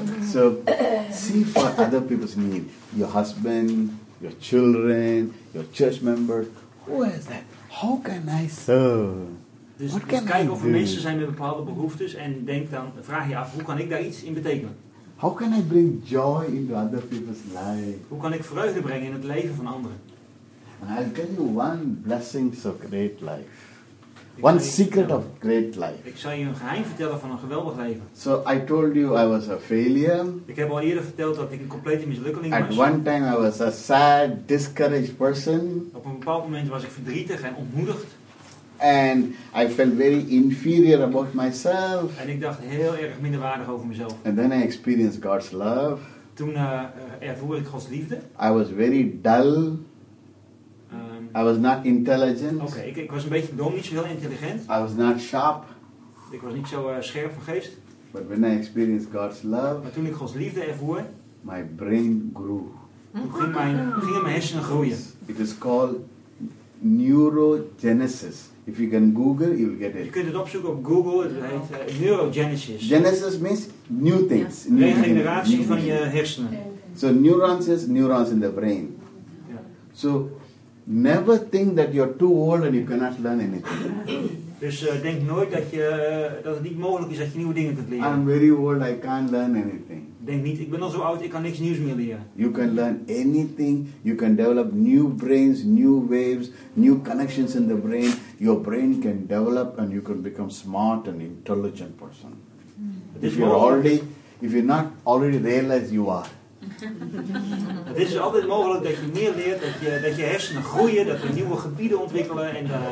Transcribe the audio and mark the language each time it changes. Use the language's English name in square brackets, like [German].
[English] So see for other people's need. Your husband, your children, your church members. Who is that? How can I serve? [Dutch] Dus kijk of er mensen zijn met bepaalde behoeftes en denk dan, vraag je af, hoe kan ik daar iets in betekenen? [English] How can I bring joy into other people's life? [Dutch] Hoe kan ik vreugde brengen in het leven van anderen? [English] And I'll tell you one blessing of great life. One secret of great life. [Dutch] Ik zal je een geheim vertellen van een geweldig leven. [English] So I told you I was a failure. [Dutch] Ik heb al eerder verteld dat ik een complete mislukkeling [English] was. At one time I was a sad, discouraged person. [Dutch] Op een bepaald moment was ik verdrietig en ontmoedigd. [English] And I felt very inferior about myself. [Dutch] En ik dacht heel erg minderwaardig over mezelf. [English] And then I experienced God's love. [Dutch] Toen ervoer ik Gods liefde. [English] I was very dull. I was not intelligent. [Dutch] Oké, ik was een beetje dom, niet zo heel intelligent. [English] I was not sharp. [Dutch] Ik was niet zo scherp van geest. [English] But when I experienced God's love. [Dutch] Maar toen ik Gods liefde ervoer. [English] My brain grew. [Dutch] Toen gingen mijn hersenen groeien. [English] It is called neurogenesis. If you can Google, you will get it. [Dutch] Je kunt het opzoeken op Google. Het heet neurogenesis. [English] Genesis means new things. [Dutch] Regeneratie van je hersenen. [English] So neurons is neurons in the brain. Yeah. So never think that you're too old and you cannot learn anything. [Dutch] Dus denk nooit dat je dat het niet mogelijk is dat je nieuwe dingen kunt leren. [English] I'm very old, I can't learn anything. [Dutch] Denk niet, ik ben al zo oud, ik kan niks nieuws meer leren. [English] You can learn anything. You can develop new brains, new waves, new connections in the brain. Your brain can develop and you can become smart and intelligent person. If you're not already realized you are. [Dutch] Het is altijd mogelijk dat je meer leert, dat je hersenen groeien, dat we nieuwe gebieden ontwikkelen en